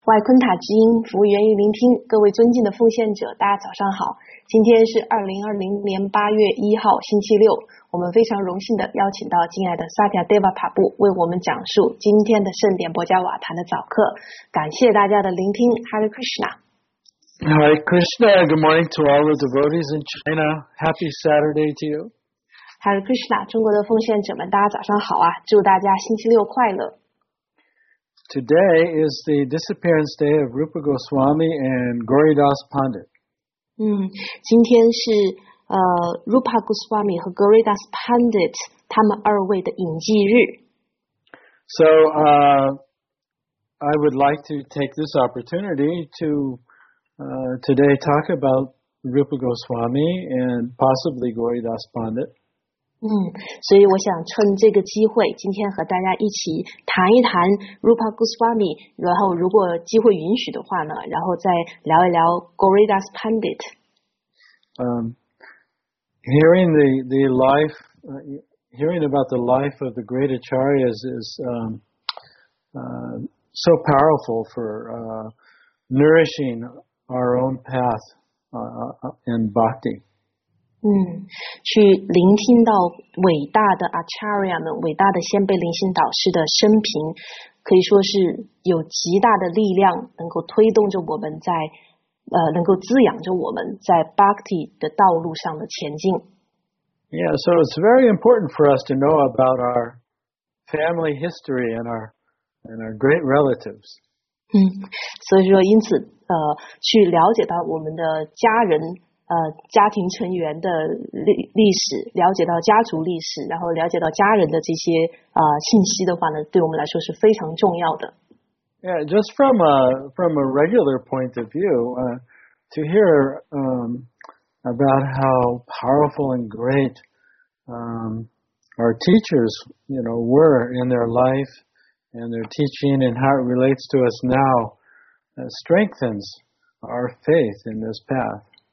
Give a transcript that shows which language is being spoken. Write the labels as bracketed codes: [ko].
[zh] 外昆塔之音，服务源于聆听。各位尊敬的奉献者，大家早上好。今天是2020年8月1号，星期六。我们非常荣幸的邀请到敬爱的萨迦德瓦帕布为我们讲述今天的圣典博加瓦坛的早课。感谢大家的聆听 ，Hare Krishna。 [en] Hare Krishna. Good morning to all the devotees in China. Happy Saturday to you. Hare Krishna. [zh] 中国的奉献者们，大家早上好啊！祝大家星期六快乐。 [en] Today is the disappearance day of Rupa Goswami and Goridas Pandit. [zh] 今天是Rupa Goswami 和 Goridas Pandit 他们二位的隐迹日。 [en] So, I would like to take this opportunity to today talk about Rupa Goswami and possibly Goridas Pandit. [zh] 所以我想趁这个机会，今天和大家一起谈一谈 Rupa Goswami， 然后如果机会允许的话呢，然后再聊一聊 Goridas Pandit。 [en] Hearing about the life of the great acharyas is so powerful for nourishing our own path in bhakti. [zh] 去聆听到伟大的 acharya 们，伟大的先辈灵性导师的生平，可以说是有极大的力量，能够推动着我们在能够滋养着我们在 bhakti 的道路上的前进。 [en] Yeah, so it's very important for us to know about our family history and our great relatives. [zh] 所以说因此去了解到我们的家人家庭成员的历史，了解到家族历史，然后了解到家人的这些信息的话呢，对我们来说是非常重要的。 [en] Yeah, just from a regular point of view, to hear about how powerful and great our teachers, you know, were in their life and their teaching and how it relates to us now, strengthens our faith in this path.